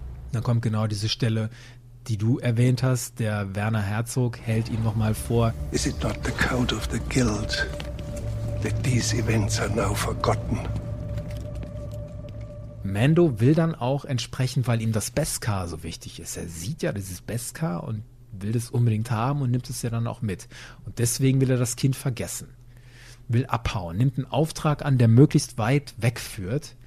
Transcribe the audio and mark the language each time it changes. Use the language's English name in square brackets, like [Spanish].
[German] Dann kommt genau diese Stelle, die du erwähnt hast. Der Werner Herzog hält ihm nochmal vor. [English] Is it not the code of the guild that these events are now forgotten? [German] Mando will dann auch entsprechend, weil ihm das Beskar so wichtig ist. Er sieht ja dieses Beskar und will das unbedingt haben und nimmt es ja dann auch mit. Und deswegen will er das Kind vergessen. Will abhauen, nimmt einen Auftrag an, der möglichst weit wegführt.